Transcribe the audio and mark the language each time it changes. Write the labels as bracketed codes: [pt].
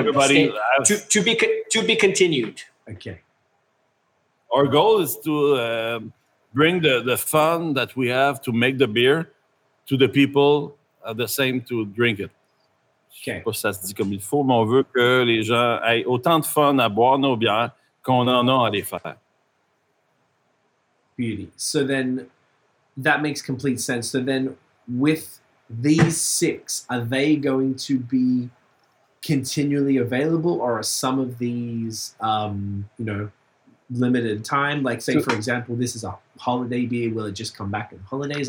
[en] Everybody, to be continued. Okay. Our goal is to bring the fun that we have to make the beer to the people at the same to drink it. Okay. [fr] Je sais pas si ça se dit comme il faut, mais on veut que les gens aient autant de fun à boire nos bières qu'on en a à les faire. [en] Beauty. So then that makes complete sense. So then with these six, are they going to be continually available, or are some of these, you know, limited time? Like, say, for example, this is a holiday beer. Will it just come back in holidays?